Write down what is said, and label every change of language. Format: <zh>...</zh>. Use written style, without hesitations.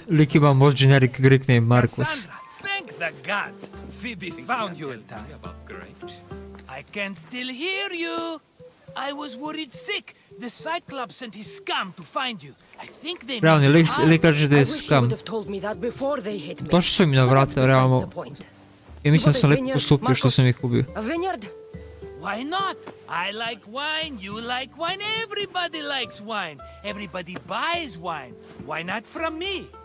<hr>Lik ima</hr> <en>most generic Greek name, Marcus. Cassandra, thank the gods. Phoebe found you in time. I can still hear you. I was worried sick. The Cyclops sent his scum to find you. I think they made it hard.</en> <hr>Brownie, kaže da je scum. Došli su mi na vrata, realno. I mislim da sam lijepo postupio što sam ih ubio.</hr> <en>A vineyard? Why not? I like wine, you like wine, everybody likes wine. Everybody buys wine. Why not from me?</en>